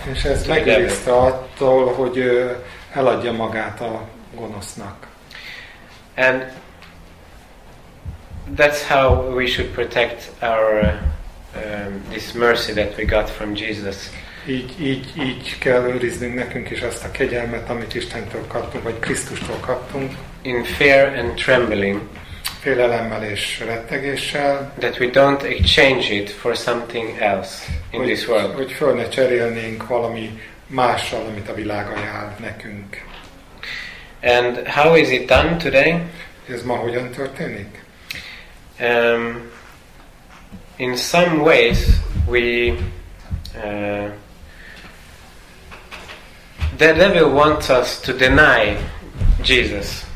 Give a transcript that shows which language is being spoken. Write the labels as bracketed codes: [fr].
[hu] És ez megőrizte attól, hogy eladja magát a gonosznak. [en] And that's how we should protect our this mercy that we got from Jesus. [hu] Így kell őriznünk nekünk is azt a kegyelmet, amit Istentől kaptunk, vagy Krisztustól kaptunk. [en] In fear and trembling. [hu] Félelemmel és rettegéssel. [en] That we don't exchange it for something else in this world. [hu] Hogy föl ne cserélnénk valami mással, amit a világ ajánl nekünk. [en] And how is it done today? [hu] Ez ma hogyan történik? [en] In some ways we the devil wants us to deny Jesus.